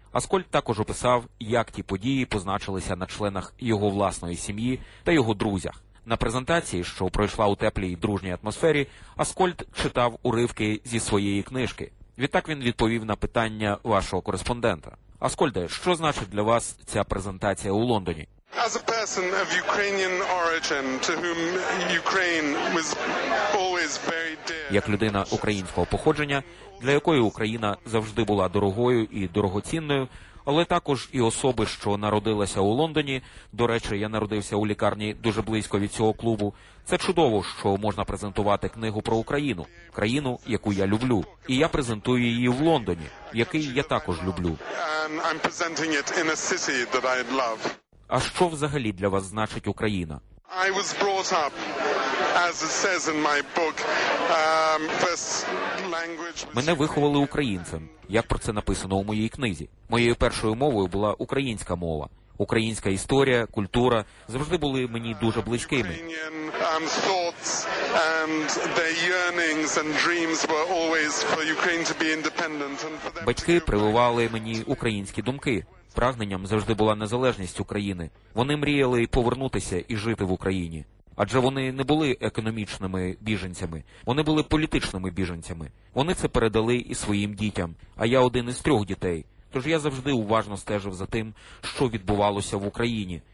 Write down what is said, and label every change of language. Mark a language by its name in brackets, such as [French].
[Ukrainian] Аскольд також описав, як ті події позначилися на членах його власної сім'ї та його друзях. На презентації, що пройшла у теплій і дружній атмосфері, Аскольд читав уривки зі своєї книжки. Відтак він відповів на питання вашого кореспондента. Аскольде, що значить для вас ця презентація у Лондоні? [English] As a person of Ukrainian origin, to whom Ukraine was always very dear. [Ukrainian] Як людина українського походження, для якої Україна завжди була дорогою і дорогоцінною, але також і особи, що народилася у Лондоні. До речі, я народився у лікарні дуже близько від цього клубу. Це чудово, що можна презентувати книгу про Україну, країну, яку я люблю. І я презентую її в Лондоні, який я також люблю. [English] I'm presenting it in a city that I love. [Ukrainian] А що взагалі для вас значить Україна? [English] I was brought up, as it says in my book, first language. [Ukrainian] Мене виховали українцем, як про це написано у моїй книзі. Моєю першою мовою була українська мова. Українська історія, культура завжди були мені дуже близькими. [English] Thoughts and their yearnings and dreams were always for Ukraine to be independent. [Ukrainian] Батьки прививали мені українські думки. Прагненням завжди була незалежність України. Вони мріяли повернутися і жити в Україні. Адже вони не були економічними біженцями. Вони були політичними біженцями. Вони це передали і своїм дітям. А я один із трьох дітей. Тож я завжди уважно стежив за тим, що відбувалося в Україні.